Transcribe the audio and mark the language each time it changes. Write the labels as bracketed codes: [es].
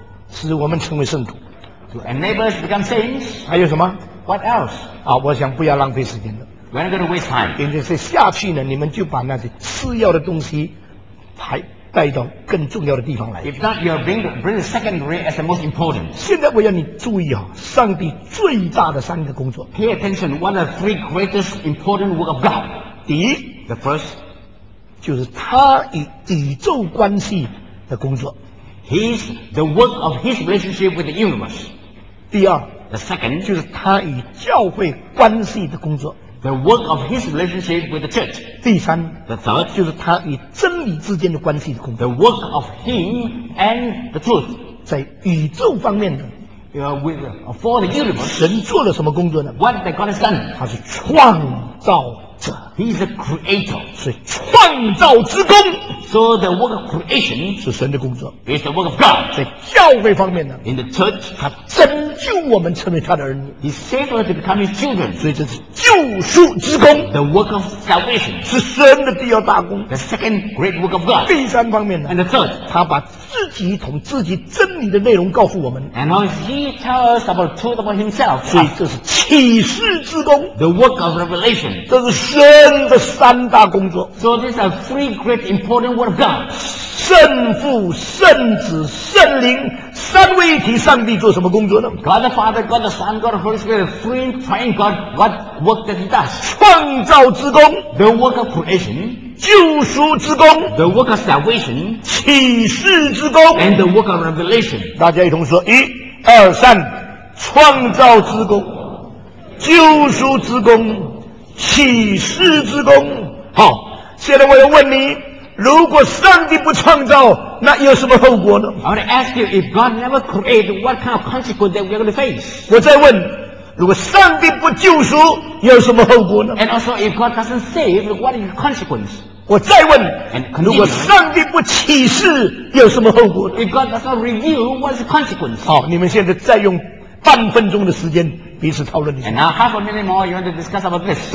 [zh] 使我们成为圣徒 [en] ，to enable us to become saints， [zh] 还有什么 [en] ？What else？ [zh] 啊，我想不要浪费时间了。 [en] We're not going to waste time. [zh] 因为是下去呢，你们就把那些次要的东西，还带到更重要的地方来。 [en] If not, you're bring the secondary as the most important. [zh] 现在我要你注意啊，上帝最大的三个工作。 [en] Pay attention. One of the three greatest important work of God. [zh] 第一 [en] ，the first， [zh] 就是他与宇宙关系的工作。 [en] He's the work of his relationship with the universe. [zh] 第二 [en] ，the second， [zh] 就是他与教会关系的工作。 [en] The work of his relationship with the church. [zh] 第三 [en] the third [zh] 就是他与真理之间的关系的工作。 [en] The work of him and the truth. [zh] 在宇宙方面的 [en] with, for the universe. [zh] 神做了什么工作呢？ [en] What did God done? [zh] 他是创造者。 [en] He's a creator. [zh] 是创造之工。 [en] So the work of creation [zh] 是神的工作。 [en] It's the work of God. [zh] 在教会方面呢？ [en] In the church, [zh] 他拯救我们成为他的儿女。 [en] He saved us to become his children. [zh] 所以这是救赎之工。 [en] The work of salvation [zh] 是神的第二大工。 [en] The second great work of God. [zh] 第三方面呢？ [en] And the third, [zh] 他把自己同自己真理的内容告诉我们。 [en] And how he tells about the truth about himself. [zh] 所以这是启示之工。 [en] The work of revelation. [zh] 这是神的三大工作。 [en] So this are three great important. Word of God. [zh] 圣父、圣子、圣灵三位一体，上帝做什么工作呢 [en] ？God the Father, God the Son, God the Holy Spirit, three triune God. What work that He does? [zh] 创造之工 [en] ，the work of creation. [zh] 救赎之工 [en] ，the work of salvation. [zh] 启示之工 [en] ，and the work of revelation. [zh] 大家一同说，一、二、三，创造之工，救赎之工，启示之工。好，现在我要问你。如果上帝不创造，那有什么后果呢 [en] ？I want to ask you if God never created, what kind of consequence that we are going to face? [zh] 我再问，如果上帝不救赎，有什么后果呢 [en] ？And also, if God doesn't save, what is the consequence? [zh] 我再问， [en] And continue, [zh] 如果上帝不启示，有什么后果呢 [en] ？If God does not reveal, what is the consequence? [zh] 好，你们现在再用半分钟的时间彼此讨论一下。 [en] And now half a minute more, you want to discuss about this?